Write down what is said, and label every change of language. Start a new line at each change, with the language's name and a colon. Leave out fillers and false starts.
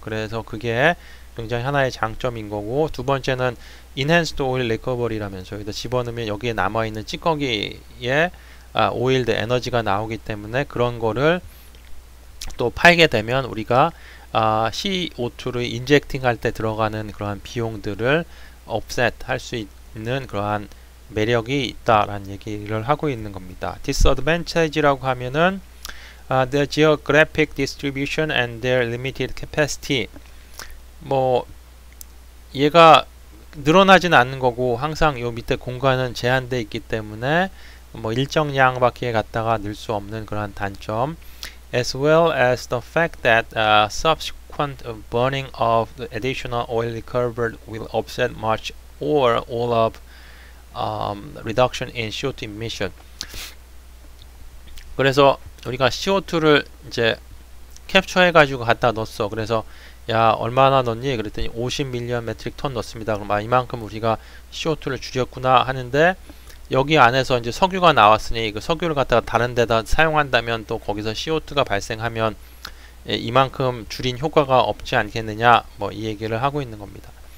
Korean: 그래서 그게 굉장히 하나의 장점인 거고, 두 번째는
English: enhanced oil recovery
Korean: 라면서 여기다 집어넣으면 여기에 남아있는 찌꺼기에 오일드 에너지가 나오기 때문에 그런 거를 또 팔게 되면 우리가 CO2를 인젝팅 할때 들어가는 그러한 비용들을 offset 할수 있는 그러한 매력이 있다라는 얘기를 하고 있는 겁니다.
English: Disadvantage
Korean: 라고 하면은
English: their geographic distribution and their limited capacity.
Korean: 뭐 얘가 늘어나진 않는 거고 항상 요 밑에 공간은 제한돼 있기 때문에 뭐 일정량 밖에 갖다가 넣을 수 없는 그러한 단점.
English: As well as the fact that subsequent burning of the additional oil recovered will offset much or all of reduction in CO2 emission.
Korean: 그래서 우리가 CO2를 이제 캡처해 가지고 갖다 넣었어. 그래서 야, 얼마나 넣니? 그랬더니 50밀리언 메트릭 톤 넣습니다. 그럼 아, 이만큼 우리가 CO2를 줄였구나 하는데, 여기 안에서 이제 석유가 나왔으니 그 석유를 갖다가 다른 데다 사용한다면 또 거기서 CO2가 발생하면 이만큼 줄인 효과가 없지 않겠느냐 뭐이 얘기를 하고 있는 겁니다.